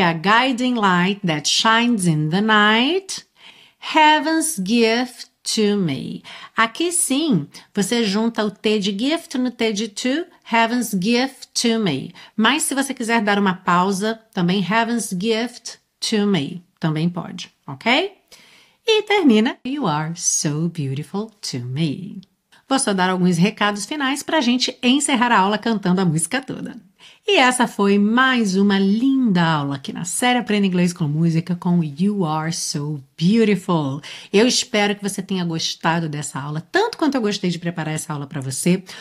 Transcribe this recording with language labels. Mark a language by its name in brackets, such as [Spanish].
[English] A guiding light that shines in the night. Heaven's gift to me. [Portuguese] Aqui sim, você junta o T de gift no T de to. [English] Heaven's gift to me. [Portuguese] Mas se você quiser dar uma pausa, também [English] Heaven's gift to me. [Portuguese] Também pode, ok? E termina. [English] You are so beautiful to me. [Portuguese] Vou só dar alguns recados finais para a gente encerrar a aula cantando a música toda. E essa foi mais uma linda aula aqui na série Aprenda Inglês com Música com You Are So Beautiful. Eu espero que você tenha gostado dessa aula, tanto quanto eu gostei de preparar essa aula para você.